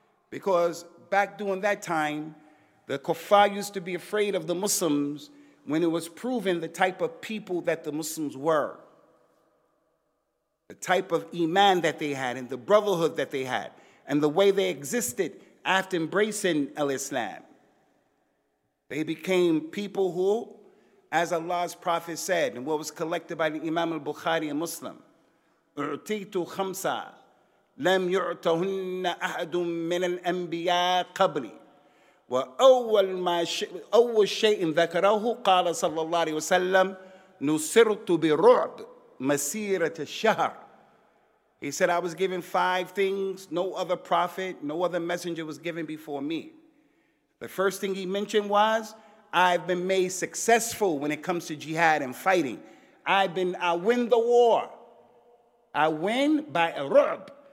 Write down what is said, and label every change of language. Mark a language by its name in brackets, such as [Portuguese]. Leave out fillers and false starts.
[English] Because back during that time, the kuffar used to be afraid of the Muslims when it was proven the type of people that the Muslims were. The type of iman that they had and the brotherhood that they had and the way they existed after embracing al-Islam. They became people who, as Allah's Prophet said, and what was collected by the Imam al-Bukhari and Muslim, [Arabic] أُعْتِيْتُ خَمْسَى لَمْ يُعْتَهُنَّ أَحَدٌ مِّنَ الْأَنْبِيَاءِ قَبْلِ وَأَوَّلْ شَيْءٍ ذَكَرَهُ قَالَ صَلَّى اللَّهِ عَلَيْهِ وَسَلَّمَ نُصِرْتُ بِرُعْدْ مَسِيرَةَ الشَّهْرِ. [English] He said, I was given five things. No other prophet, no other messenger was given before me. The first thing he mentioned was, I've been made successful when it comes to jihad and fighting. I win the war. I win by a rub.